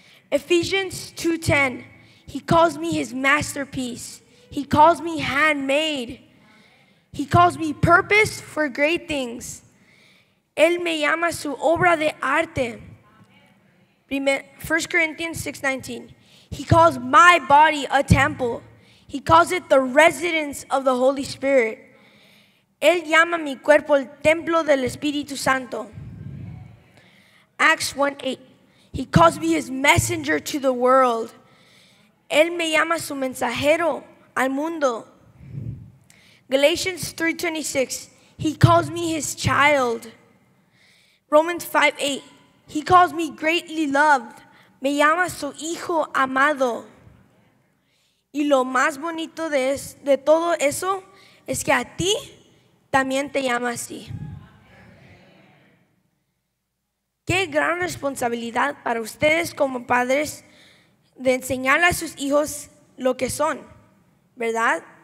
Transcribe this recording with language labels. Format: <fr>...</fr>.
<en>Ephesians 2:10, He calls me His masterpiece. He calls me handmade. He calls me purpose for great things.</en> <es>Él me llama su obra de arte.</es> <en>1 Corinthians 6:19, He calls my body a temple. He calls it the residence of the Holy Spirit.</en> <es>Él llama mi cuerpo el templo del Espíritu Santo.</es> <en>Acts 1:8, He calls me His messenger to the world.</en> <es>Él me llama su mensajero al mundo.</es> <en>Galatians 3:26, He calls me His child. Romans 5:8, He calls me greatly loved.</en> <es>Me llama su hijo amado. Y lo más bonito de todo eso es que a ti también te llama así. Qué gran responsabilidad para ustedes como padres de enseñarle a sus hijos lo que son, ¿verdad?</es>